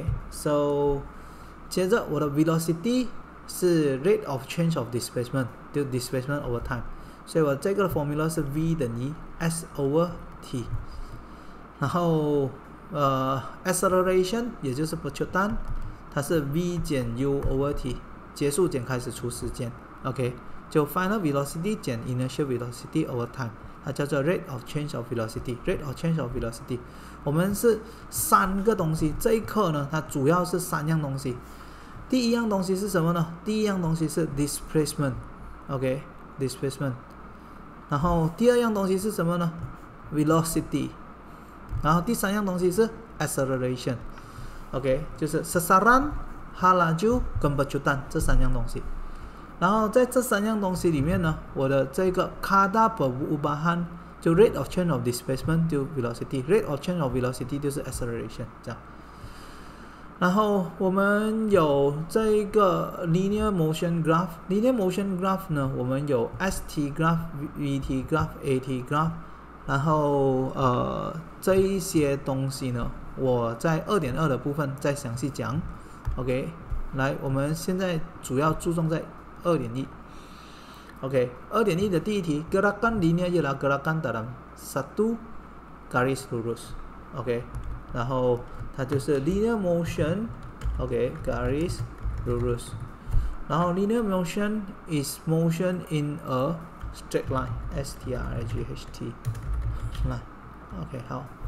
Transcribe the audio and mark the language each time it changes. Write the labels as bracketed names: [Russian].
[English] OK，so [Chinese] 接着我的 [English] velocity 是 rate of change of displacement，就 displacement over time， [Chinese] 所以我这个 [English] formula 是 v 等于 s over t，然后acceleration [Chinese] 也就是不确定。 [English] 它是 v 减 u over t， [Chinese] 结束减开始除时间， [English] OK，就 final velocity 减 initial velocity over time， [Chinese] 它叫做 [English] rate of change of velocity，rate of change of velocity。 [Chinese] 我们是三个东西，这一课呢，它主要是三样东西。第一样东西是什么呢？第一样东西是 displacement，OK，displacement，然后第二样东西是什么呢？velocity，然后第三样东西是 acceleration。 OK，就是 sasaran、halaju 跟 percutan 这三样东西。然后在这三样东西里面呢，我的这个 kada perubahan 就 [English] rate of change of displacement [Chinese] 就 velocity， [English] rate of change of velocity [Chinese] 就是 acceleration 这样。然后我们有这个 [English] linear motion graph，linear motion graph 呢，我们有 st graph、vt graph、at graph， [Chinese] 然后这一些东西呢。我在2.2的部分再详细讲，OK，来，我们现在主要注重在2.1，OK，2.1的第一题， [Malay] gerakan linear ialah gerakan dalam satu garis lurus， [Chinese] OK，然后它就是 [English] linear motion，OK，garis lurus，然后 linear motion is motion in a straight line， [Chinese] string，来，OK，好。